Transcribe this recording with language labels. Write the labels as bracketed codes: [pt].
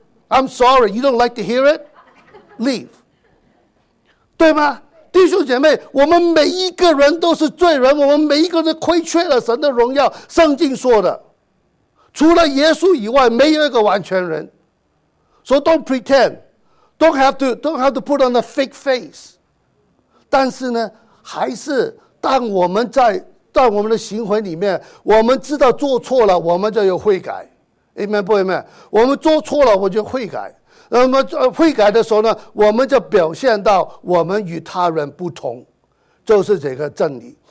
[en] I'm sorry, you don't like to hear it? Leave. [zh] 对吗？弟兄姐妹，我们每一个人都是罪人，我们每一个人亏缺了神的荣耀。圣经说的，除了耶稣以外，没有一个完全人。 [en] So don't pretend, don't have to put on a fake face. [zh] 但是呢，还是当我们的行为里面，我们知道做错了，我们就有悔改。 Amen 不 Amen？ 我们做错了，我就悔改。那么悔改的时候呢，我们就表现到我们与他人不同，就是这个真理。